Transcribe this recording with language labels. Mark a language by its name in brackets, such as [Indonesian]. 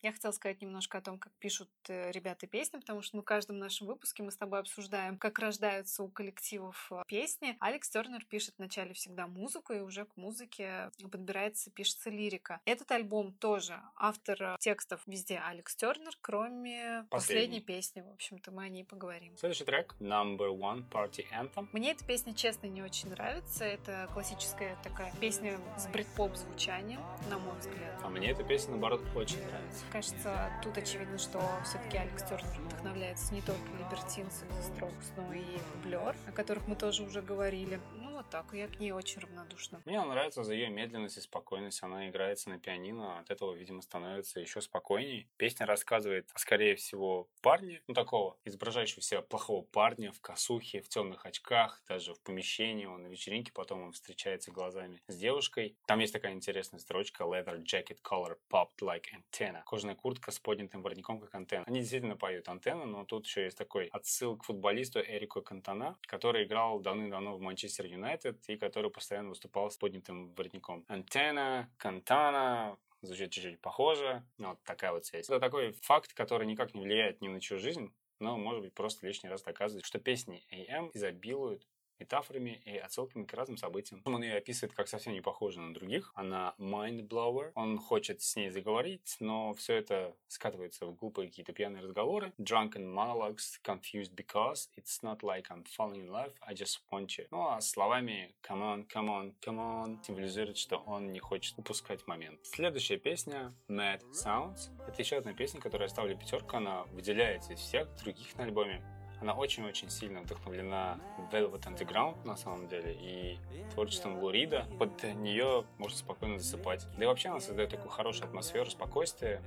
[Russian] Я хотела сказать немножко о том, как пишут ребята песни, потому что мы в каждом нашем выпуске мы с тобой обсуждаем, как рождаются у коллективов песни. Алекс Тёрнер пишет вначале всегда музыку, и уже к музыке подбирается, пишется лирика. Этот альбом тоже автор текстов везде Алекс Тёрнер, кроме последней песни. В общем-то, мы о ней поговорим. Следующий трек Number One Party Anthem. Мне эта песня, честно, не очень нравится. Это классическая такая песня с брит-поп звучанием, на мой взгляд. А мне эта песня, наоборот, очень нравится. Кажется, тут очевидно, что все-таки Алекс Тёрнер вдохновляется не только Libertines и The Strokes, но и Blur, о которых мы тоже уже говорили. Ну, вот так, я к ней очень равнодушна. Мне нравится за ее медленность и спокойность. Она играется на пианино, от этого, видимо, становится еще спокойней. Песня рассказывает, скорее всего, парня, ну, такого, изображающего себя плохого парня в косухе, в темных очках, даже в помещении, он на вечеринке, потом он встречается глазами с девушкой. Там есть такая интересная строчка [English] «Leather jacket collar popped like antenna». [Russian] Кожаная куртка с поднятым воротником, как антенна. Они действительно поют антенна, но тут еще есть такой отсыл к футболисту Эрику Кантона, который играл давным-давно в Манчестер Юнайтед и который постоянно выступал с поднятым воротником. Антенна, Кантона... Звучит чуть-чуть похоже. Вот такая вот связь. Это такой факт, который никак не влияет ни на чью жизнь, но, может быть, просто лишний раз доказывает, что песни AM изобилуют метафорами и отсылками к разным событиям. Он ее описывает как совсем не похоже на других. Она mind-blower. Он хочет с ней заговорить, но все это скатывается в глупые какие-то пьяные разговоры. [English] Drunken monologues, confused because it's not like I'm falling in love, I just want you. [Russian] Ну а словами [English] come on, come on, come on [Russian] символизирует, что он не хочет упускать момент. Следующая песня Mad Sounds. Это еще одна песня, которую я ставлю пятерку. Она выделяется из всех других на альбоме. Она очень-очень сильно вдохновлена Velvet Underground, на самом деле, и творчеством Лу Рида. Под нее можно спокойно засыпать. Да и вообще она создает такую хорошую атмосферу, спокойствие.